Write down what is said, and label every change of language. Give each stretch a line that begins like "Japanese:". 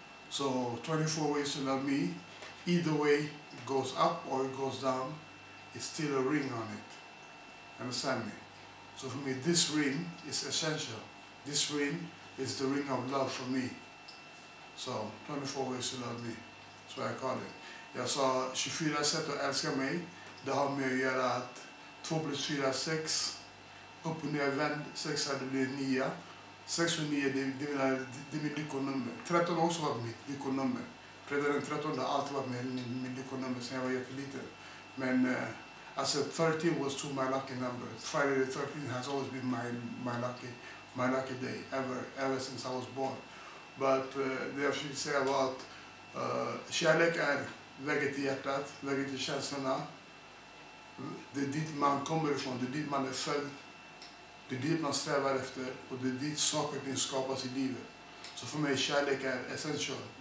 English: So 24 ways to love me. Either way, it goes up or it goes down. It's still a ring on it. Understand me? So for me, this ring is essential. This ring is the ring of love for me. So 24 ways to love me. That's what I call it.
Swedish: Jag sa 24 sätt att älska mig. Det har med att göra att 2 plus 4 är 6. Upp och ner vänd 6 hade blivit 9. 6 och 9 det är min lyckonummer. 13 också var mitt lyckonummer. Redan den 13 har alltid varit min lyckonummer sen jag var jätteliten. Men alltså
English: 13 was to my lucky number. Friday the 13th has always been my lucky day ever since I was born.
Swedish: But det jag skulle säga var att kärlek är vägen till hjärtat, vägen till känslorna. Det är dit man kommer ifrån, det är dit man är född. Det är dit man strävar efter och det är dit saker kan skapas i livet. Så för mig kärlek är essential.